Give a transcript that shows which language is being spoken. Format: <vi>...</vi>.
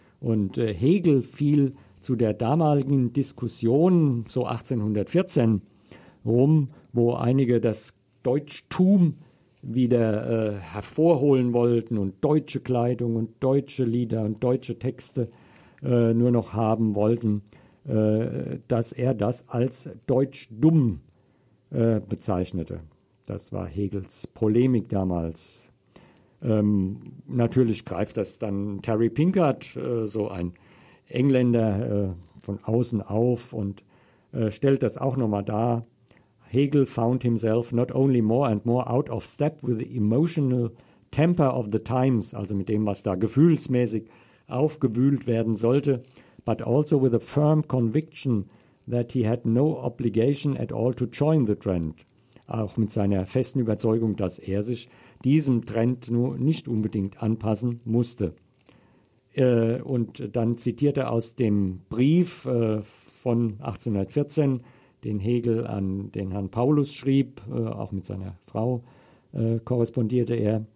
<de>Und Hegel fiel zu der damaligen Diskussion, so 1814 rum, wo einige das Deutschtum wieder hervorholen wollten und deutsche Kleidung und deutsche Lieder und deutsche Texte nur noch haben wollten, dass er das als deutsch dumm bezeichnete. Das war Hegels Polemik damals. Natürlich greift das dann Terry Pinkert, so ein Engländer von außen auf und stellt das auch nochmal dar.</de> <en>Hegel found himself not only more and more out of step with the emotional temper of the times,</en> <de>also mit dem, was da gefühlsmäßig aufgewühlt werden sollte,</de> <en>but also with a firm conviction that he had no obligation at all to join the trend.</en> <de>Auch mit seiner festen Überzeugung, dass er sich diesem Trend nur nicht unbedingt anpassen musste. Und dann zitiert er aus dem Brief von 1814, den Hegel an den Herrn Paulus schrieb, auch mit seiner Frau korrespondierte er.</de>